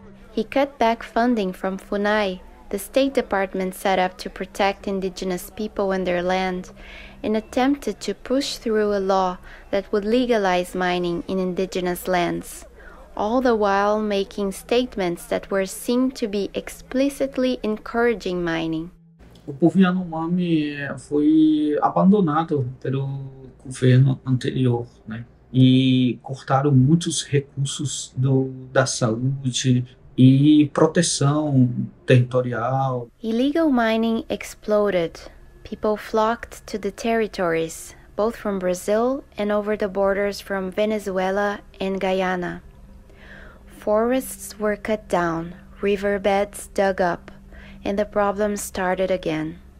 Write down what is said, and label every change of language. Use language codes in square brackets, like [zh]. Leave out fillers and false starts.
[en] He cut back funding from FUNAI, the State Department set up to protect indigenous people and their land, and attempted to push through a law that would legalize mining in indigenous lands, all the while making statements that were seen to be explicitly encouraging mining. [pt] O povo Yanomami foi abandonado pelo governo anterior, né? E cortaram muitos recursos da saúde e proteção territorial. [en] Illegal mining exploded. People flocked to the territories, both from Brazil and over the borders from Venezuela and Guyana. Forests were cut down, riverbeds dug up, and the problem started again.